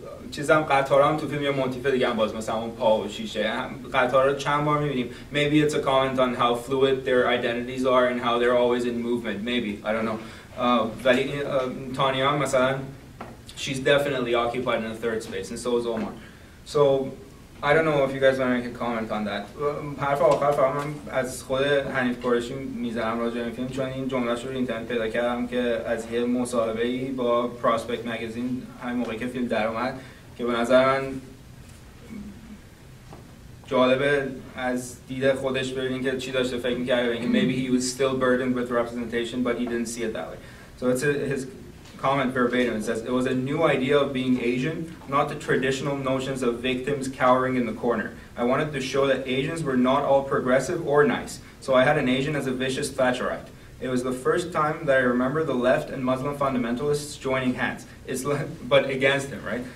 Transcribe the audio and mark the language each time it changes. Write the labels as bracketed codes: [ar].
[fa] چیزم قطار هم تو فیلم یا مونتیفه دیگه هم باز مثلا اون پا و شیشه قطار رو چند بار میبینیم. [en] Maybe it's a comment on how fluid their identities are and how they're always in movement. Maybe, I don't know. [fa] ولی تانیا مثلا [en] she's definitely occupied in the third space and so is Omar. So I don't know if you guys want to make a comment on that. [fa] حرف آخر فهم هم از خود حنیف کورشی میذارم راجعه این فیلم چون این جمله شو اینترنت پیدا کردم که از یه مصاحبه ای با پراسپیکت مگزین همین موقعی که فیلم در اومد که به نظر من جالبه از دید خودش ببینید که چی داشته فکر میکرده اینکه [en] maybe he was still burdened with representation but he didn't see it that way. So it's his comment verbatim. It says, it was a new idea of being Asian, not the traditional notions of victims cowering in the corner. I wanted to show that Asians were not all progressive or nice, so I had an Asian as a vicious Thatcherite. It was the first time that I remember the left and Muslim fundamentalists joining hands, but against him, right?